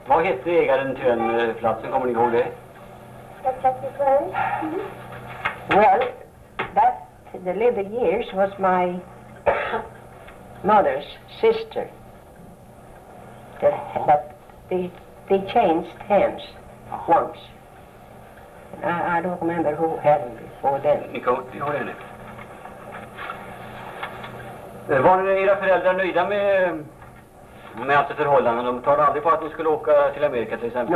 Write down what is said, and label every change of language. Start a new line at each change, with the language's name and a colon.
Swedish: Vad hette ägaren till den platsen, kommer ni ihåg det?
English: Well, that the later years was my mother's sister. But they changed hands once. And I don't remember who had them before then.
Swedish: Ni kommer ihåg det? Var era föräldrar nöjda med allt förhållanden? De talade aldrig på att de skulle åka till Amerika till exempel?